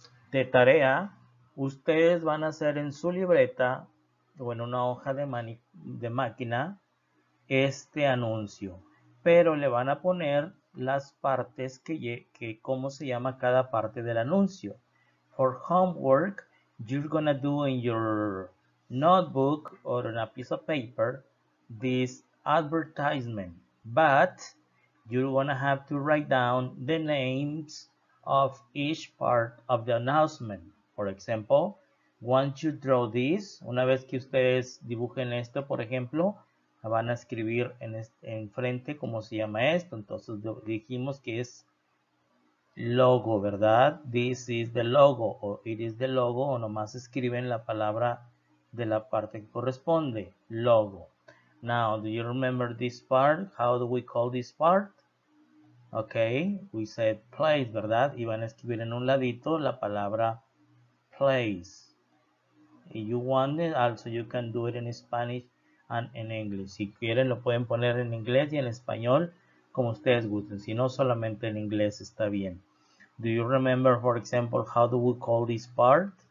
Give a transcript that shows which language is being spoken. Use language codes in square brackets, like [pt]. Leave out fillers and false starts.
[es] De tarea, ustedes van a hacer en su libreta o en una hoja de máquina este anuncio. Pero le van a poner las partes que cómo se llama cada parte del anuncio. [en] For homework, you're gonna do in your notebook or on a piece of paper this advertisement, but you're gonna have to write down the names of each part of the announcement. For example, once you draw this, [es] una vez que ustedes dibujen esto, por ejemplo, van a escribir en frente cómo se llama esto. Entonces dijimos que es logo, ¿verdad? [en] This is the logo, [es] o [en] it is the logo, [es] o nomás escriben la palabra de la parte que corresponde, logo. [en] Now, do you remember this part? How do we call this part? Okay, we said place, [es] ¿verdad? Y van a escribir en un ladito la palabra place. [en] If you want it, also you can do it in Spanish and in English. [es] Si quieren, lo pueden poner en inglés y en español, como ustedes gusten. Si no, solamente en inglés está bien. [en] Do you remember, for example, how do we call this part?